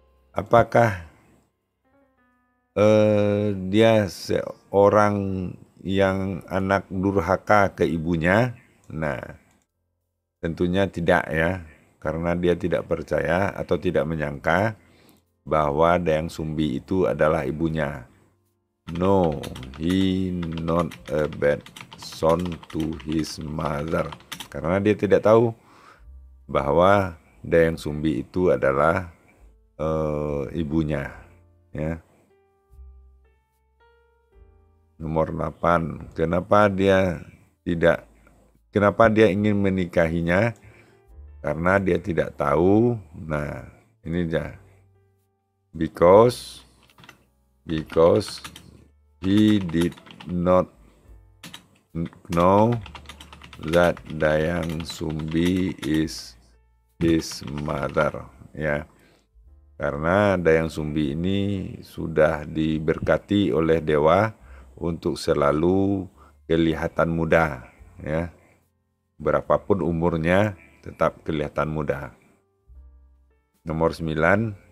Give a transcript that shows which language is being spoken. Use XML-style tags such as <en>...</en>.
<id>Apakah dia seorang yang anak durhaka ke ibunya? Nah, tentunya tidak, ya, karena dia tidak percaya atau tidak menyangka bahwa Dayang Sumbi itu adalah ibunya.</id> <en>No, he not a bad son to his mother.</en> <id>Karena dia tidak tahu bahwa Dayang Sumbi itu adalah ibunya, ya. Nomor 8, kenapa dia ingin menikahinya? Karena dia tidak tahu. Nah, ini dia.</id> <en>Because he did not know that Dayang Sumbi is his mother, ya.</en> <id>Karena Dayang Sumbi ini sudah diberkati oleh dewa untuk selalu kelihatan muda, ya. Berapapun umurnya tetap kelihatan muda. Nomor 9.</id>